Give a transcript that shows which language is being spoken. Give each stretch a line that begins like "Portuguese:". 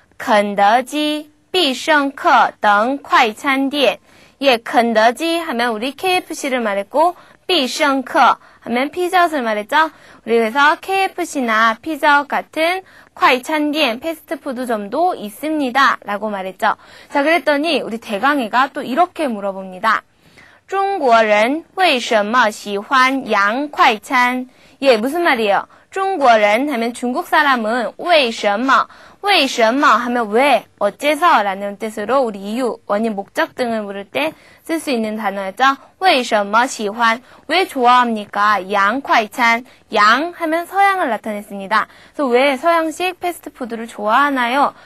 Chinese: 肯德基、必胜客等快餐店。
Korean: 예, 肯德基하면 우리 KFC를 말했고, 必胜客하면 피자를 말했죠. 우리 그래서 KFC나 피자 같은 快餐店, 패스트푸드점도 있습니다. 라고 말했죠. 자, 그랬더니 우리 대강이가 또 이렇게 물어봅니다.
Chinese: 중국人为什么喜欢洋快餐?
Korean: 예, 무슨 말이에요? 중국人 하면 중국 사람은 为什么 하면 왜, 어째서 라는 뜻으로 우리 이유, 원인, 목적 등을 물을 때 쓸 수 있는 단어였죠.
Chinese: 为什么喜欢?
Korean: 왜 좋아합니까? 양快餐. 양 하면 서양을 나타냈습니다. 그래서 왜 서양식 패스트푸드를 좋아하나요?